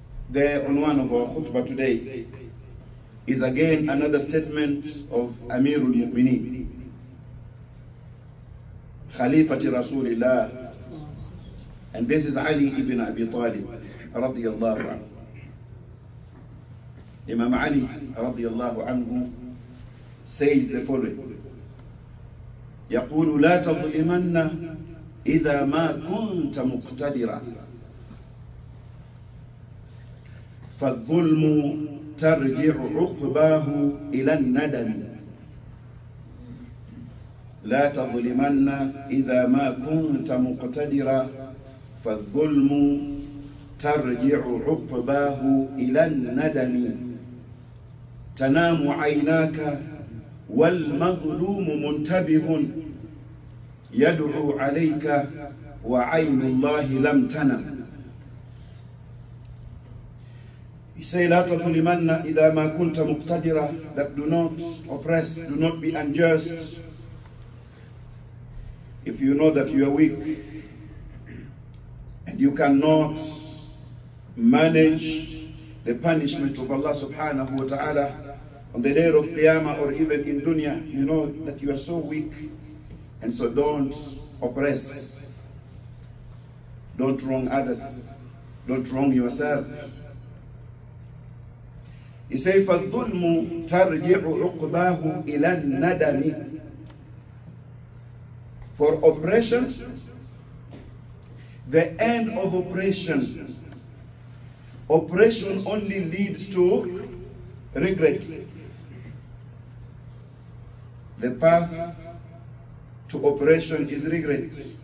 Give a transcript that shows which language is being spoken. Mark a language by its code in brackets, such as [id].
[en] There on one of our khutbah today is again another statement of Amirul Mu'mineen, Khalifati Rasulillah, and this is Ali ibn Abi Talib radiyallahu anhu. Imam Ali radiyallahu anhu says the following: [ar] يقول لا تظلمن إذا ما كنت مقتدرا فالظلم ترجع عقباه إلى الندم لا تظلمن إذا ما كنت مقتدرا فالظلم ترجع عقباه إلى الندم تنام عيناك والمظلوم منتبه يدعو عليك وعين الله لم تنم. [en] He say, [ar] لا تظلمن إذا ما كنت مقتدرا, [en] that do not oppress, do not be unjust. If you know that you are weak and you cannot manage the punishment of Allah subhanahu wa ta'ala on the day of Qiyamah or even in dunya, you know that you are so weak, and so don't oppress, don't wrong others, don't wrong yourself. He says, [ar] فَالظُّلْمُ تَرْجِعُ عُقْبَاهُ إِلَى النَّدَمِ. [en] For oppression, the end of oppression, oppression only leads to regret. The path to oppression is regret.